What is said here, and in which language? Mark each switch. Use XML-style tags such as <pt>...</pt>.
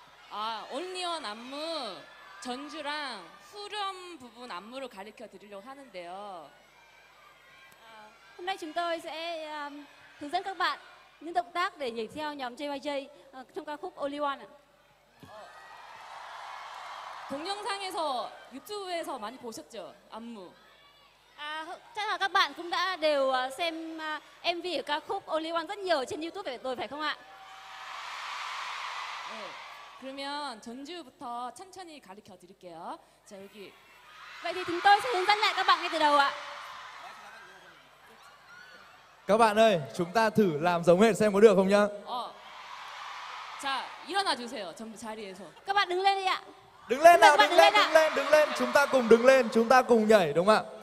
<ko>아, 온리원 안무 전주랑 후렴 부분 안무를 가르쳐 드리려고 하는데요.</ko> <vi>오늘 chúng tôi sẽ hướng dẫn các bạn những động tác để nhảy theo nhóm JYJ trong ca khúc Only One.</vi> <ko>동영상에서 유튜브에서 많이 보셨죠 안무.</ko> <vi>아, chắc là các bạn cũng đã đều xem MV của ca khúc Only One rất nhiều trên YouTube rồi phải không ạ?</vi> <ko>네, 그러면 전주부터 천천히 가르쳐 드릴게요. 자 여기.</ko> <vi>Vậy thì chúng tôi sẽ hướng dẫn lại các bạn ngay từ đầu ạ. Các bạn ơi, chúng ta thử làm giống hệt xem có được không nhá.</vi> <ko>자, 일어나 주세요. 전부 자리에서.</ko> <vi>Các bạn đứng lên đi ạ. Đứng lên nào, đứng lên, đứng lên, đứng lên. Chúng ta cùng đứng lên, chúng ta cùng nhảy, đúng không ạ?</vi>